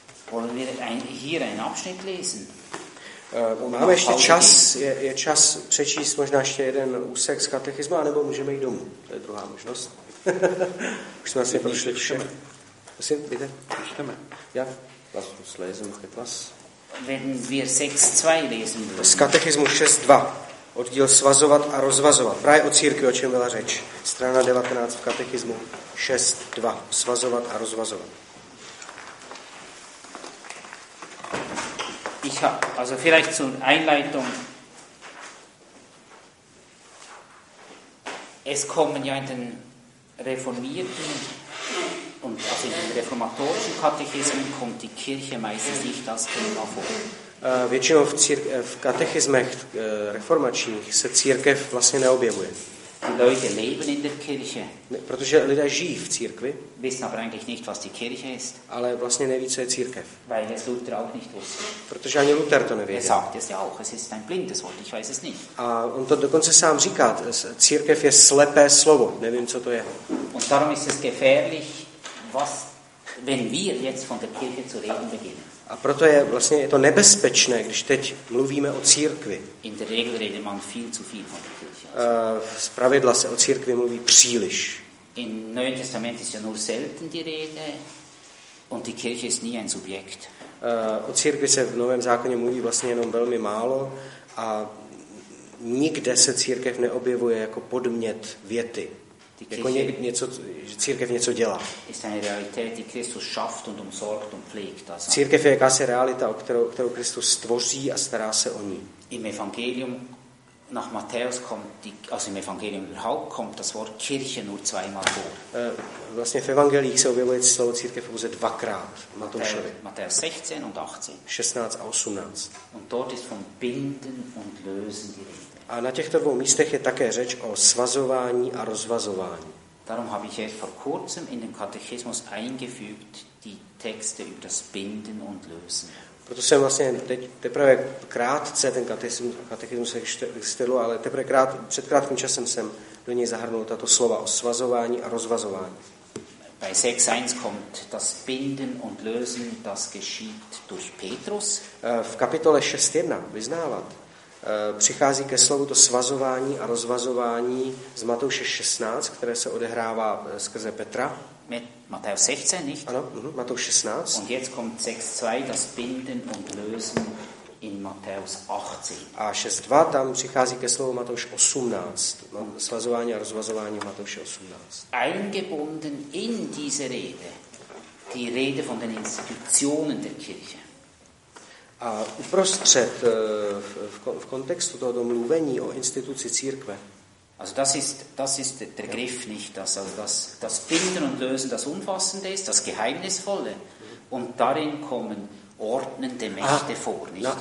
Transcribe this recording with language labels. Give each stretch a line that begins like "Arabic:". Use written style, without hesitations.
German: Wollen wir hier einen Abschnitt lesen?
Czech: Máme ještě čas, je čas přečíst možná ještě jeden úsek z katechismu, anebo můžeme jít domů. To je druhá možnost. Už jsme asi prošli všem. Prosím, jde? Přečteme. Já? Vás lesen, chyt vás.
German: Wenn wir 6.2 lesen würden.
Czech: Z katechismu 6.2. Oddíl svazovat a rozvazovat. Právě o církvi, o čem byla řeč. Strana 19 v katechismu 6.2. Svazovat a rozvazovat.
German: Ich habe, also vielleicht zur Einleitung. Es kommen ja in den reformierten und also in den reformatorischen Katechismen kommt die Kirche meistens nicht als Thema vor.
Czech: Většinou v katechismech reformačních se církev vlastně neobjevuje.
German: Leute leben in der Kirche.
Czech: Protože lidé žijí v církvi.
German: Wissen aber eigentlich nicht, was die Kirche ist.
Czech: Ale vlastně neví, co je církev.
German: Weil es Luther auch nicht wusste.
Czech: Protože ani Luther to nevěděl.
German: Er sagt es ja auch, es ist ein blindes Wort, ich weiß es nicht.
Czech: A on to dokonce sám říká, církev je slepé slovo, nevím, co to je.
German: Und darum ist es gefährlich, was, wenn wir jetzt von der Kirche zu reden beginnen.
Czech: A proto je vlastně je to nebezpečné, když teď mluvíme o církvi.
German: In der Regel reden man viel zu viel von der Kirche.
Czech: Z pravidla se o církvi mluví příliš.
German: In Neuen Testament ist ja nur selten die Rede und die Kirche ist nie ein Subjekt.
Czech: O církvi se v Novém zákoně mluví vlastně jenom velmi málo a nikde se církev neobjevuje jako podmět věty. Jako něco, že církev něco dělá.
German: Ist eine Realität, die Christus schafft und umsorgt und pflegt. Also.
Czech: Církev je jakási realita, kterou Kristus stvoří a stará se o ní.
German: Im Evangelium nach Matthäus kommt die, also im Evangelium überhaupt kommt das Wort Kirche nur zweimal vor.
Czech: Vlastně v evangeliích se objevuje slovo církev pouze dvakrát.
German: Matthäus 16 und 18.
Czech: 16 a 18.
German: Und dort ist vom Binden und Lösen die Rede.
Czech: A na těchto dvou místech je také řeč o svazování a rozvazování.
German: Darum habe ich erst vor kurzem in den Katechismus eingefügt die Texte über das Binden und Lösen.
Czech: Proto jsem vlastně teď teprve krátce ten katechismus existilo, ale teprve před krátkým časem jsem do něj zahrnul tato slova o svazování a rozvazování.
German: Bei 6.1 kommt das Binden und Lösen, das geschieht durch Petrus.
Czech: V kapitole 6.1, vyznávat, přichází ke slovu to svazování a rozvazování z Matouše 16, které se odehrává skrze Petra.
German: Matthäus 16, nicht?
Czech: Ano, Matouš 16.
German: Und jetzt kommt 6.2, das Binden und Lösen in Matthäus 18.
Czech: A 6.2, tam přichází ke slovu Matouš 18, svazování a rozvazování Matouše 18.
German: Eingebunden in diese Rede, die Rede von den Institutionen der Kirche.
Czech: A uprostřed, v kontextu tohoto mluvení o instituci církve,
German: also das ist der Griff, nicht das, also das Binden und Lösen, das Umfassende ist, das Geheimnisvolle, und darin kommen ordnende Mächte vor, nicht?